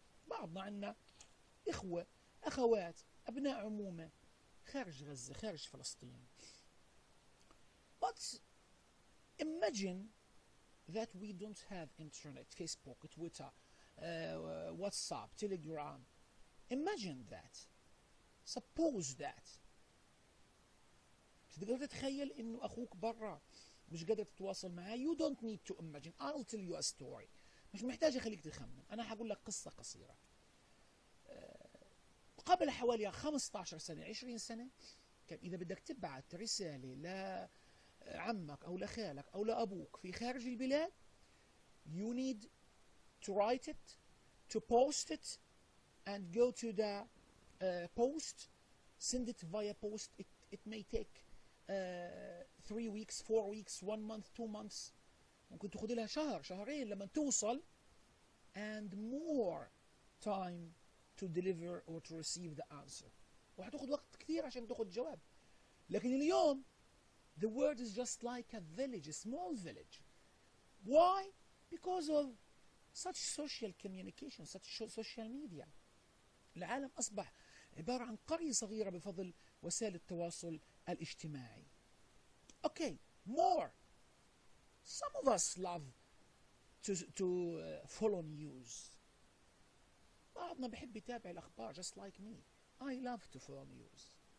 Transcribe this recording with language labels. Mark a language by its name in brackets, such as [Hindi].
[Arabic] بعضنا عندنا إخوة, أخوات, أبناء عمومة خارج غزة, خارج فلسطين. [English] But imagine that we don't have internet, Facebook, Twitter, WhatsApp, Telegram. Imagine that. Suppose that. [Arabic] تقدر تتخيل إنه أخوك برا مش قادر تتواصل معاه. [English] You don't need to imagine. I'll tell you a story. [Arabic] مش محتاج أخليك تخمن. أنا هقول لك قصة قصيرة. قبل حوالي 15 سنة 20 سنة كان إذا بدك تبعت رسالة لعمك أو لخالك أو لأبوك في خارج البلاد [English] you need to write it, to post it and go to the post, send it via post. It may take 3 weeks, 4 weeks, 1 month, 2 months. [Arabic] ممكن تخذ لها شهر شهرين لما توصل [English] and more time to deliver or to receive the answer. [Arabic] وحتاخذ وقت كثير عشان تاخذ جواب. لكن اليوم [English] the world is just like a village, a small village. Why? Because of such social communication, such social media. [Arabic] العالم اصبح عبارة عن قرية صغيرة بفضل وسائل التواصل الاجتماعي. [English] Okay, more. Some of us love to follow news. [Arabic] بعضنا بحب يتابع الأخبار, [English] just like me. I love to follow news.